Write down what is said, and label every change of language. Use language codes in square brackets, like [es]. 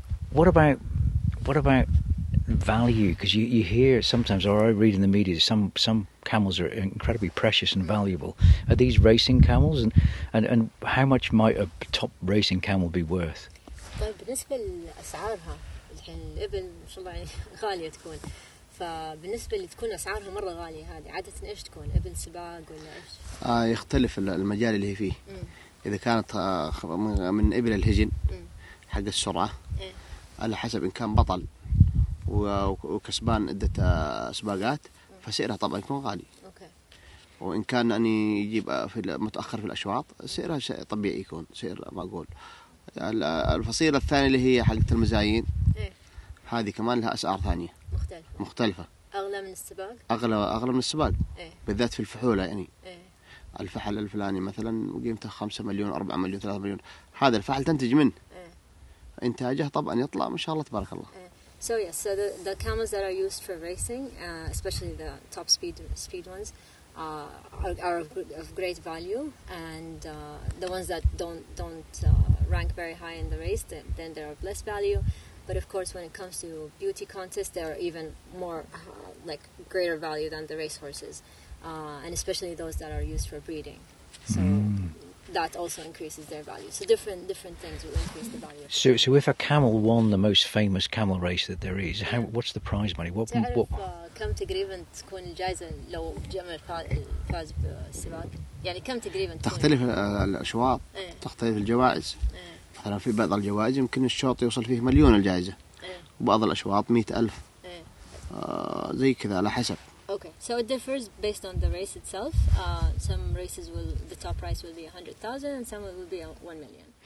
[en] What about value? Because you hear sometimes, or I read in the media, some camels are incredibly precious and valuable. Are these racing camels, and how much might a top racing camel be worth? [ar] طيب بالنسبة لأسعارها الحين الإبل ما شاء الله غالية تكون. فبالنسبة اللي تكون أسعارها مرة غالية هذه عادة إيش تكون إبل سباق ولا إيش؟ يختلف المجال اللي هي فيه. إذا كانت من إبل الهجن حق السرعة على حسب إن كان بطل وكسبان عدة سباقات. فسعرها طبعا يكون غالي. اوكي. وان كان اني يجيب في متاخر في الاشواط سعرها شيء طبيعي يكون سعر معقول. الفصيلة الثانية اللي هي حق المزايين. ايه. هذه كمان لها اسعار ثانية. مختلفة. اغلى من السباق؟ اغلى من السباق. ايه. بالذات في الفحولة يعني. ايه. الفحل الفلاني مثلا قيمته 5 مليون 4 مليون 3 مليون. هذا الفحل تنتج منه. ايه. انتاجه طبعا يطلع ما شاء الله تبارك الله. ايه. [en] So yes, so the camels that are used for racing, especially the top speed ones, are of great value, and the ones that don't rank very high in the race, then they're of less value. But of course, when it comes to beauty contests, they are even more like greater value than the race horses, and especially those that are used for breeding. So. That also increases their value. So different things will increase the value. So if a camel won the most famous camel race that there is, how what's the prize money? What [ar] تعرف, [en] what [ar] كم تقريبا تكون الجائزة لو جمل فاز بالسباق؟ يعني كم تقريبا تختلف الأشواط تختلف الجوائز. مثلا في بعض الجوائز يمكن الشوط يوصل فيه مليون الجائزة. وبعض الأشواط 100,000. زي كذا على حسب. [en] Okay, so it differs based on the race itself. Some races will, the top price will be 100,000 and some will be 1 million.